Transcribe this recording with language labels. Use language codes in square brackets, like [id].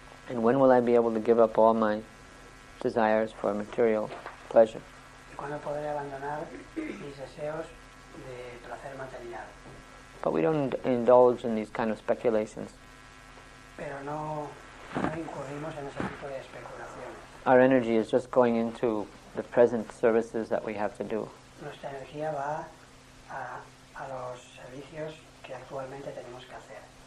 [en] And when will I be able to give up all my desires for material pleasure? [es] ¿Y cuándo podré abandonar mis deseos de placer material? [en] But we don't indulge in these kind of speculations. [es] Pero no, no incurrimos en ese tipo de especulaciones. [en] Our energy is just going into the present services that we have to do. [es] Nuestra energía va a los servicios que actualmente tenemos que hacer.